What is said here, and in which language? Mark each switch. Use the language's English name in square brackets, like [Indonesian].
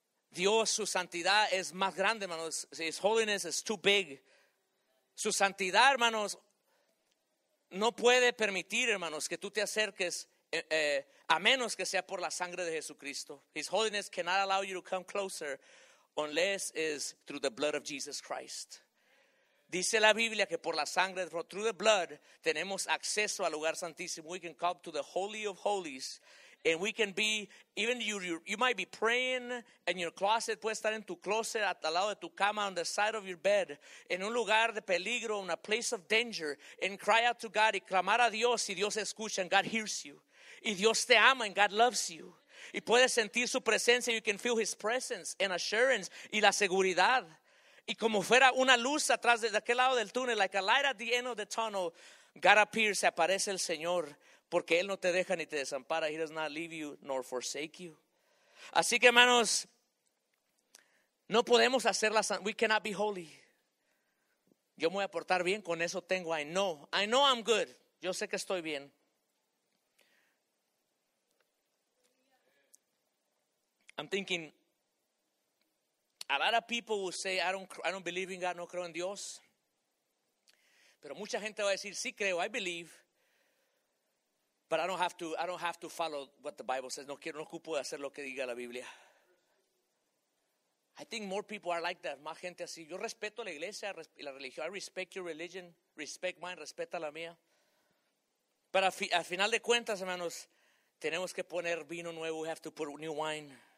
[Spanish] Dios, su santidad es más grande, hermanos. [English] His holiness is too big. [Spanish] Su santidad, hermanos, no puede permitir, hermanos, que tú te acerques a menos que sea por la sangre de Jesucristo. [English] His holiness cannot allow you to come closer unless it's through the blood of Jesus Christ. [Spanish] Dice la Biblia que por la sangre, [English] through the blood, [Spanish] tenemos acceso al lugar santísimo. [English] We can come to the holy of holies. And we can be, even you might be praying in your closet. [Spanish] Puedes estar en tu closet, al lado de tu cama, [English] on the side of your bed. [Spanish] En un lugar de peligro, [English] in a place of danger. And cry out to God, [Spanish] y clamar a Dios, y Dios escucha, [English] and God hears you. [Spanish] Y Dios te ama, [English] and God loves you. [Spanish] Y puedes sentir su presencia, [English] you can feel his presence and assurance, [Spanish] y la seguridad. Y como fuera una luz atrás de aquel lado del túnel, [English] like a light at the end of the tunnel, God appears, [Spanish] se aparece el Señor, porque Él no te deja ni te desampara. [English] He does not leave you nor forsake you. [Spanish] Así que, hermanos, no podemos hacer la santidad. [English] We cannot be holy. [Spanish] Yo me voy a portar bien, con eso tengo. [English] I know I'm good. [Spanish] Yo sé que estoy bien. [English] I'm thinking, a lot of people will say, I don't believe in God, [Spanish] no creo en Dios. Pero mucha gente va a decir, sí creo, [English] I believe. But I don't have to follow what the Bible says. [Spanish] No ocupo de hacer lo que diga la Biblia. [English] I think more people are like that, [Spanish] más gente así. Yo respeto la iglesia y la religión. [English] I respect your religion, respect mine, [Spanish] respeta la mía. Pero al final de cuentas, hermanos, tenemos que poner vino nuevo. [English] We have to put new wine.